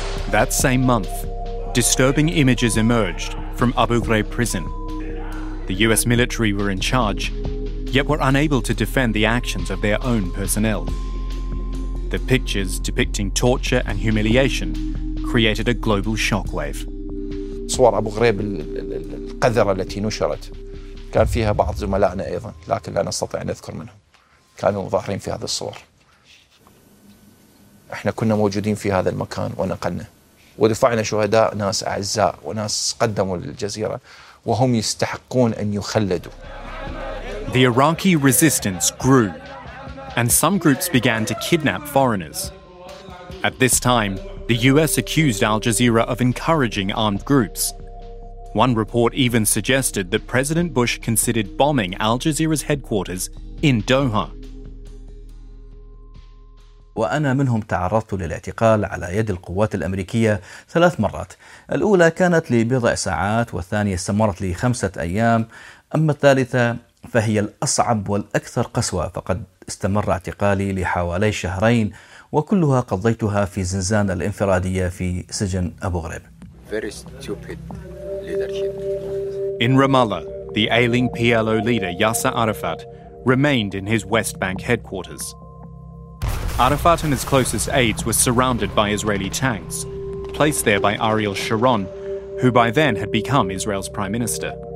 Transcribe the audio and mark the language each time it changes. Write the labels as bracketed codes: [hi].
[en] That same month, disturbing images emerged from Abu Ghraib prison. The US military were in charge, yet were unable to defend the actions of their own personnel. The pictures depicting torture and humiliation created a global shockwave. [ar] صور أبو غريب القذرة التي نشرت كان فيها بعض زملائنا أيضا لكن لا نستطيع أن نذكر منهم كانوا ظاهرين في هذه الصور. إحنا كنا موجودين في هذا المكان ونقلنا ودفعنا شهداء ناس أعزاء وناس قدموا للجزيرة وهم يستحقون أن يخلدوا. [en] The Iraqi resistance grew, and some groups began to kidnap foreigners. At this time, the US accused Al Jazeera of encouraging armed groups. One report even suggested that President Bush considered bombing Al Jazeera's headquarters in Doha. [ar] وأنا منهم تعرضت للاعتقال على يد القوات الأمريكية ثلاث مرات. الأولى كانت لبضع ساعات والثانية استمرت لخمسة أيام. أما الثالثة فهي الأصعب والأكثر قسوة فقد استمر اعتقالي لحوالي شهرين وكلها قضيتها في زنزانة الانفرادية في سجن أبو غريب. [en] In Ramallah, the ailing PLO leader Yasser Arafat remained in his West Bank headquarters. Arafat and his closest aides were surrounded by Israeli tanks, placed there by Ariel Sharon, who by then had become Israel's prime minister.